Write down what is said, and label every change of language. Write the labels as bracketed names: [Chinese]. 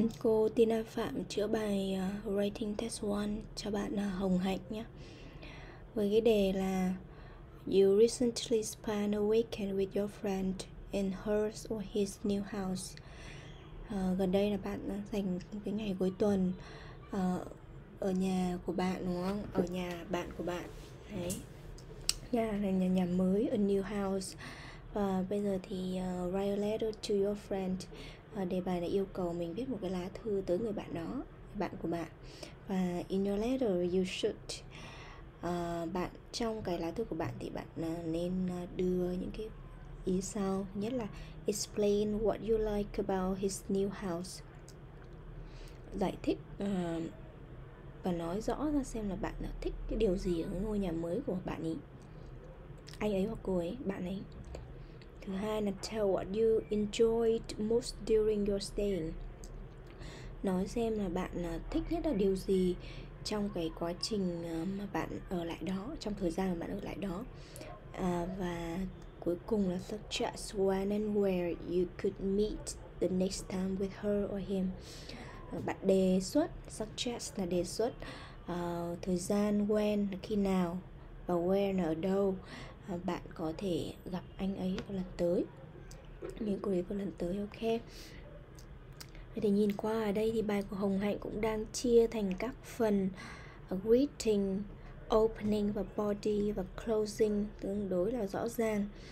[Vietnamese] Cô Tina Phạm chữa bài Writing Test 1 cho bạn Hồng Hạnh nhé. Với cái đề là [English] You recently spent a weekend with your friend in hers or his new house. [Vietnamese] Gần đây là bạn dành cái ngày cuối tuần ở nhà của bạn đúng không? Ở nhà bạn của bạn. Đấy. Nhà là nhà mới, [English] a new house. [Vietnamese] Và bây giờ thì [English] write a letter to your friend. [Vietnamese] Đề bài này yêu cầu mình viết một cái lá thư tới người bạn đó, bạn của bạn. Và [English] in your letter you should [Vietnamese] bạn trong cái lá thư của bạn thì bạn nên đưa những cái ý sau. Nhất là [English] explain what you like about his new house. [Vietnamese] Giải thích và nói rõ ra xem là bạn thích cái điều gì ở ngôi nhà mới của bạn ấy, anh ấy hoặc cô ấy, bạn ấy. Thứ hai là [English] tell what you enjoyed most during your stay. [Vietnamese] Nói xem là bạn thích nhất là điều gì trong cái quá trình mà bạn ở lại đó, trong thời gian mà bạn ở lại đó. Và cuối cùng là [English] suggest when and where you could meet the next time with her or him. [Vietnamese] Bạn đề xuất, suggest là đề xuất, thời gian when là khi nào và where là ở đâu bạn có thể gặp anh ấy vào lần tới, nếu cô ấy vào lần tới. Ok, thì nhìn qua ở đây thì bài của Hồng Hạnh cũng đang chia thành các phần greeting, opening và body và closing tương đối là rõ ràng.